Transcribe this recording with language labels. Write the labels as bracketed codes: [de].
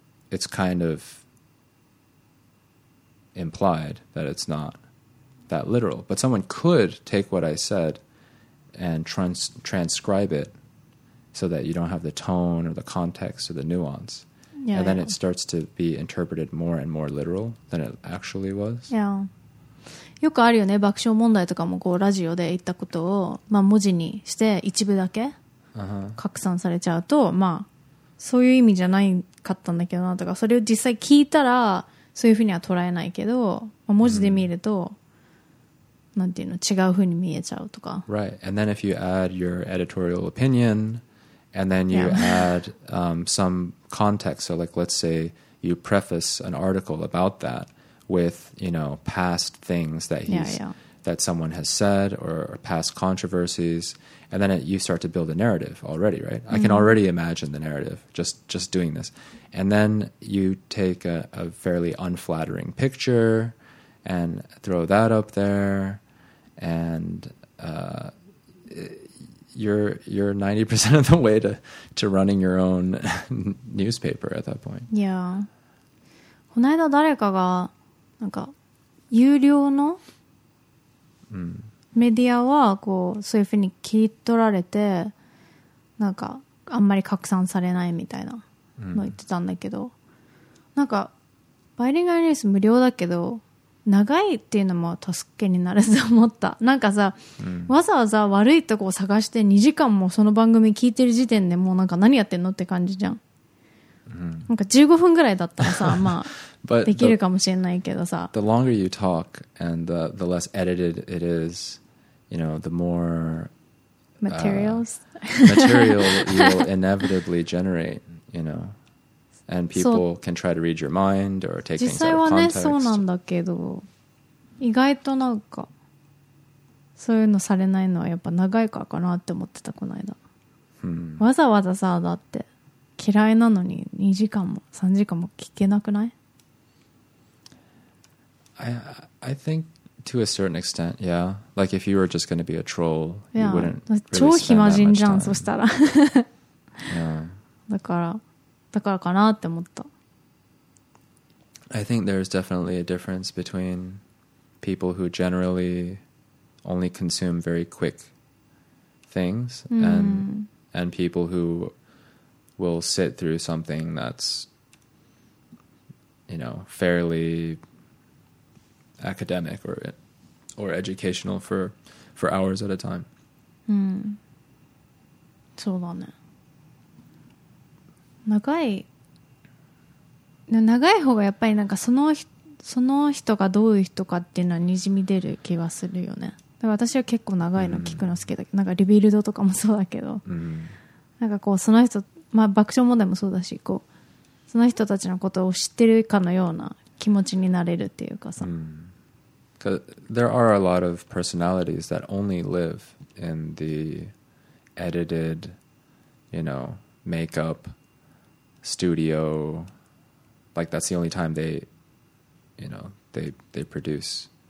[en] It's kind of implied that it's not that literal. But someone could take what I said and transcribe it so that you don't have the tone or the context or the nuance. Yeah, and then it starts to be interpreted more and more literal than it actually was. [ja] Yeah. よくあるよね。爆笑問題とかもこうラジオで言ったことを、まあ、文字にして一部だけ拡散されちゃうと、まあ、そういう意味じゃないかったんだけどなとか、それを実際聞いたらそういうふうには捉えないけど、まあ、文字で見ると、なんていうの、違うふうに見えちゃうとか。 [en] Right. And then if you add your editorial opinion, and then you add some context, so like let's say you preface an article about that with, you know, past things that that someone has said or past controversies, and then you start to build a narrative already, right? Mm-hmm. I can already imagine the narrative just doing this. And then you take a fairly unflattering picture and throw that up there, and you're 90% of the way to running your own newspaper at that point. Yeah. [ja] この間誰かがなんか有料のメディアはこうそういうふうに切り取られてなんかあんまり拡散されないみたいなの言ってたんだけど、なんかバイリンガルニュース無料だけど長いっていうのも助けになると思った。なんかさ、わざわざ悪いとこを探して2時間もその番組聞いてる時点でもうなんか何やってんのって感じじゃん。なんか15分ぐらいだったらさ、まあ。 [en] But [ja] できるかもしれないけどさ。 [en] The longer you talk and the less edited it is, you know, the more materials material you'll inevitably generate, you know. And people can try to read your mind or take things out of context. [ja] 実際はね、そうなんだけど、意外となんかそういうのされないのはやっぱ長いからかなって思ってた、この間。わざわざさ、だって嫌いなのに2時間も3時間も聞けなくない？ [en] I think to a certain extent, yeah. Like if you were just going to be a troll, yeah, you wouldn't really spend that much time. [ja] 超暇人じゃん、そしたら。 [en] Yeah. [ja] だからかなって思った。 [en] I think there's definitely a difference between people who generally only consume very quick things and people who will sit through something that's, you know, fairly academic or or educational for hours at a time. [ja] そうだね。長い、長い方がやっぱりなんかその人がどういう人かっていうのはにじみ出る気はするよね。だから私は結構長いの聞くの好きだけど、なんかリビルドとかもそうだけど、なんかこうその人、まあ爆笑問題もそうだし、こうその人たちのことを知ってるかのような気持ちになれるっていうかさ。 [en] There are a lot of personalities that only live in the edited, you know, makeup studio. Like that's the only time they, you know, they produce.